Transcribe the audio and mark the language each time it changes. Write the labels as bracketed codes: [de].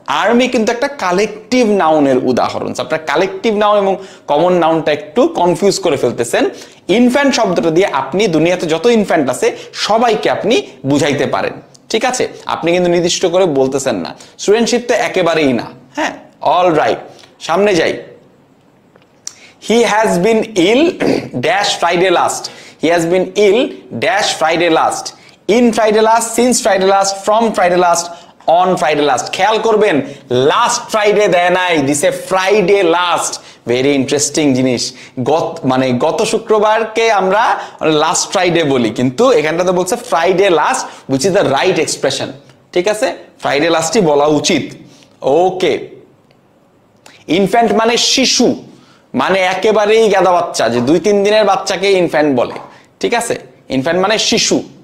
[bn] Army কিন্তু একটা collective নাউনের উদাহরণ। আপনার কালেকটিভ নাউন এবং কমন নাউনটা একটু কনফিউজ করে ফেলতেছেন। ইনফ্যান্ট শব্দটা দিয়ে আপনি দুনিয়াতে যত ইনফ্যান্ট আছে সবাইকে আপনি বুঝাইতে পারেন, ঠিক আছে? আপনি কিন্তু নির্দিষ্ট করে বলতেছেন না, স্টুডেন্টশিপ তো একেবারেই না। হ্যাঁ, অল রাইট, সামনে যাই। [en] He has been ill dash Friday last. He has been ill dash Friday last. In Friday last, since Friday last, from Friday last, on Friday last. [bn] খেয়াল করবেন, last Friday দেয় নাই, [en] This a Friday last. [bn] Very interesting জিনিস। গত মানে গত শুক্রবারকে আমরা last Friday বলি, কিন্তু এখানটাতে বলছে Friday last, [en] which is the right expression. [bn] ঠিক আছে, Friday lastই বলা উচিত। ওকে, ইনফ্যান্ট মানে শিশু, মানে একেবারেই গাদা বাচ্চা, যে দুই তিন দিনের বাচ্চাকে ইনফ্যান্ট বলে, ঠিক আছে? ইনফ্যান্ট মানে শিশু।